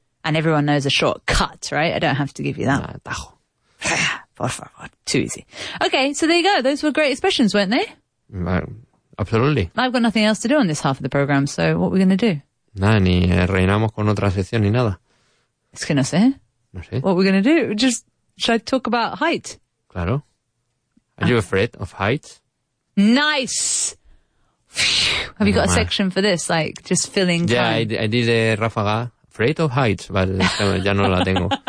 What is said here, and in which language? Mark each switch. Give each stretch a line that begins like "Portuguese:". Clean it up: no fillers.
English: And everyone knows a short cut, right? I don't have to give you that.
Spanish: Tajo.
English: Too easy. Okay, so there you go. Those were great expressions, weren't they? Absolutely. I've got nothing else to do on this half of the program, so what are we going to do?
Spanish: Nada, ni reinamos con otra sección ni nada. Es que no sé. No sé.
English: What are we going to do? Just, should I talk about height?
Spanish: Claro.
English: Are you afraid of height? Nice! Phew. Have you got a section for this? Like, just filling time? Yeah, I did a ráfaga. Afraid of height, but
Spanish: ya no la tengo.